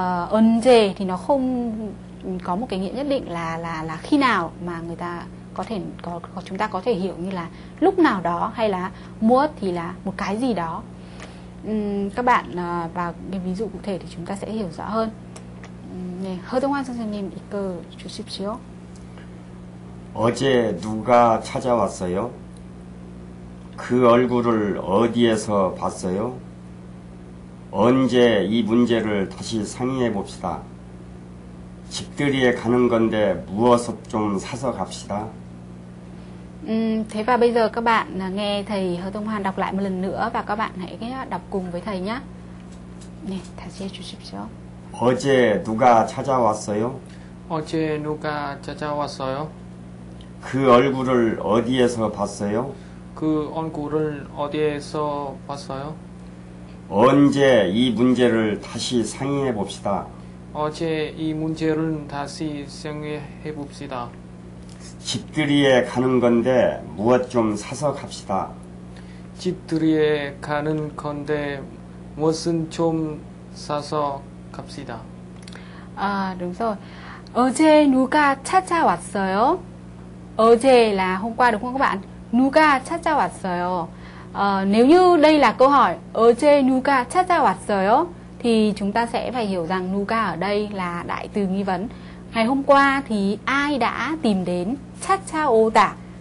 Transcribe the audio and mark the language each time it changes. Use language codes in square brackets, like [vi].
[vi] Unje thì nó không có một cái nghĩa nhất định là khi nào, mà người ta có thể có chúng ta có thể hiểu như là lúc nào đó, hay là mua thì là một cái gì đó. Các bạn vào cái ví dụ cụ thể thì chúng ta sẽ hiểu rõ hơn. [ko] 네, 허동환 선생님 이끌 주십시오. 어제 누가 찾아왔어요? 그 얼굴을 어디에서 봤어요? 언제 이 문제를 다시 상의해 봅시다. 집들이에 가는 건데 무엇을 좀 사서 갑시다. [vi] Thế và bây giờ các bạn nghe thầy Hơ Tông Hoan đọc lại một lần nữa và các bạn hãy đọc cùng với thầy nhé. [ko] 네, 다시 해주십시오. 어제 누가 찾아왔어요? 어제 누가 찾아왔어요? 그 얼굴을 어디에서 봤어요? 그 얼굴을 어디에서 봤어요? 언제 이 문제를 다시 상의해 봅시다. 어제 이 문제를 다시 상의해 봅시다. 집들이에 가는 건데 무엇 좀 사서 갑시다. 집들이에 가는 건데 무엇은 좀 사서 갑시다. 아, 그래서 어제 누가 찾아왔어요? [vi] 어제 là hôm qua đúng không các bạn? [ko] 누가 찾아왔어요? [vi] Nếu như đây là câu hỏi [ko] 어제 누가 찾아왔어요? [vi] Thì chúng ta sẽ phải hiểu rằng 누가 ở đây là đại từ nghi vấn. Ngày hôm qua thì ai đã tìm đến? Chataota.